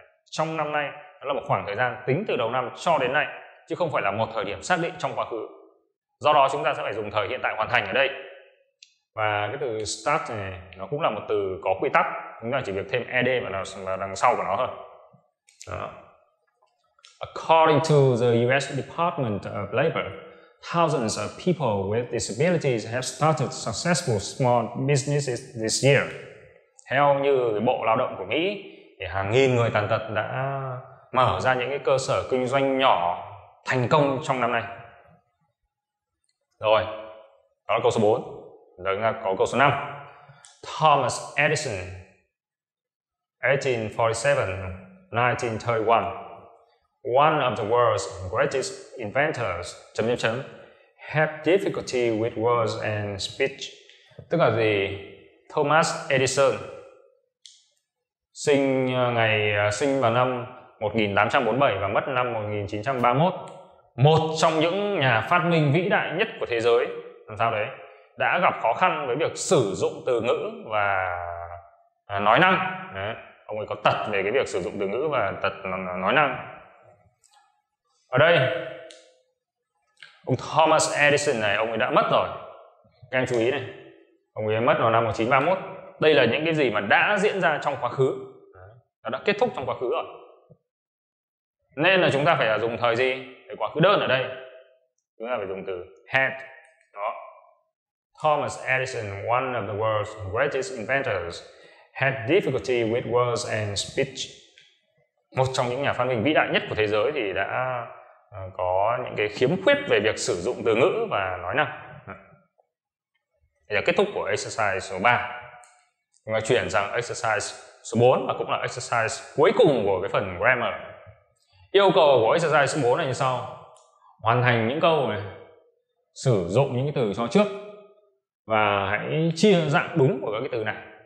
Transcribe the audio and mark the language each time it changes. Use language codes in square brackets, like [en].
[vi] Trong năm nay nó là một khoảng thời gian tính từ đầu năm cho đến nay, chứ không phải là một thời điểm xác định trong quá khứ. Do đó chúng ta sẽ phải dùng thời hiện tại hoàn thành ở đây. Và cái từ start này nó cũng là một từ có quy tắc, chúng ta chỉ việc thêm ed vào đằng sau của nó thôi. Đó. [en] According to the US Department of Labor, thousands of people with disabilities have started successful small businesses this year. [vi] Theo như Bộ Lao động của Mỹ, thì hàng nghìn người tàn tật đã mở ra những cái cơ sở kinh doanh nhỏ thành công trong năm nay. Rồi, đó là câu số 4. Rồi có câu số 5. [en] Thomas Edison, 1847-1931, one of the world's greatest inventors, have difficulty with words and speech. [vi] Tức là gì? Thomas Edison sinh vào năm 1847 và mất năm 1931. Một trong những nhà phát minh vĩ đại nhất của thế giới, làm sao đấy, đã gặp khó khăn với việc sử dụng từ ngữ và nói năng. Đấy. Ông ấy có tật về cái việc sử dụng từ ngữ và tật nói năng. Ở đây, ông Thomas Edison này, ông ấy đã mất rồi. Các em chú ý này, ông ấy mất vào năm 1931. Đây là những cái gì mà đã diễn ra trong quá khứ, nó đã kết thúc trong quá khứ rồi. Nên là chúng ta phải dùng thời gì? Để quá khứ đơn ở đây, chúng ta phải dùng từ had. Đó. [en] Thomas Edison, one of the world's greatest inventors, had difficulty with words and speech. [vi] Một trong những nhà phát minh vĩ đại nhất của thế giới thì đã có những cái khiếm khuyết về việc sử dụng từ ngữ và nói năng. Đây là kết thúc của exercise số 3. Chúng ta chuyển sang exercise số 4 và cũng là exercise cuối cùng của cái phần grammar. Yêu cầu của exercise số 4 là như sau: hoàn thành những câu này, sử dụng những cái từ cho trước và hãy chia dạng đúng của các cái từ này.